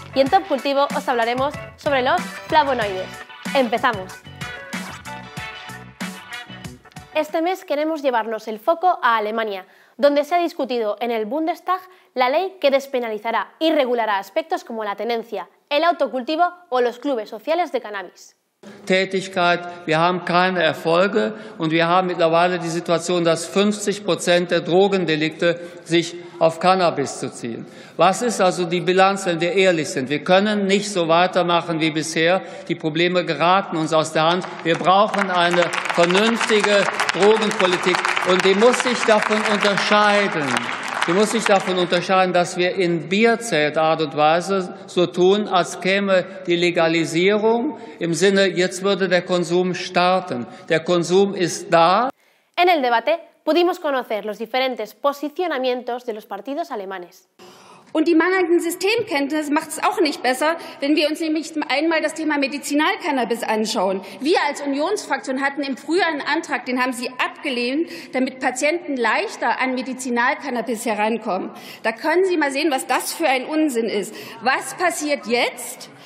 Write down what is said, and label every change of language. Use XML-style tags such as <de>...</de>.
<es>Y en Top Cultivo os hablaremos sobre los flavonoides. ¡Empezamos! Este mes queremos llevarnos el foco a Alemania, donde se ha discutido en el Bundestag la ley que despenalizará y regulará aspectos como la tenencia, el autocultivo o los clubes sociales de cannabis.</es> <de>Tätigkeit, wir haben keine Erfolge und wir haben mittlerweile die Situation, dass 50% der Drogendelikte sich auf Cannabis zu ziehen. Was ist also die Bilanz, wenn wir ehrlich sind? Wir können nicht so weitermachen wie bisher. Die Probleme geraten uns aus der Hand. Wir brauchen eine vernünftige Drogenpolitik und die muss sich davon unterscheiden. Du musst dich davon unterscheiden, dass wir in Bierzeltart und Weise so tun, als käme die Legalisierung im Sinne, jetzt würde der Konsum starten. Der Konsum ist da.</de> <es>En el debate pudimos conocer los diferentes posicionamientos de los partidos alemanes.</es> <de>Und die mangelnden Systemkenntnis macht es auch nicht besser, wenn wir uns nämlich einmal das Thema Medizinalcannabis anschauen. Wir als Unionsfraktion hatten im Frühjahr einen Antrag, den haben Sie abgelehnt, damit Patienten leichter an Medizinalcannabis herankommen. Da können Sie mal sehen, was das für ein Unsinn ist. Was passiert jetzt?</de>